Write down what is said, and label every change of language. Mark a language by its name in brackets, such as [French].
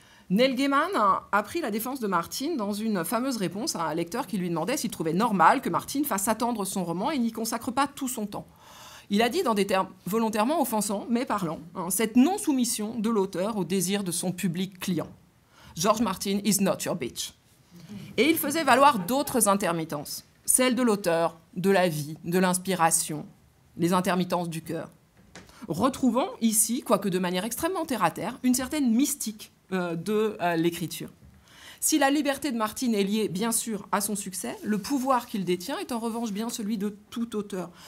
[French] Neil Gaiman a pris la défense de Martin dans une fameuse réponse à un lecteur qui lui demandait s'il trouvait normal que Martin fasse attendre son roman et n'y consacre pas tout son temps. Il a dit, dans des termes volontairement offensants mais parlants, cette non-soumission de l'auteur au désir de son public client. [English] George Martin is not your bitch. [French] Et il faisait valoir d'autres intermittences, celles de l'auteur, de la vie, de l'inspiration, les intermittences du cœur. Retrouvons ici, quoique de manière extrêmement terre-à-terre, une certaine mystique de l'écriture. Si la liberté de Martin est liée, bien sûr, à son succès, le pouvoir qu'il détient est en revanche bien celui de tout auteur.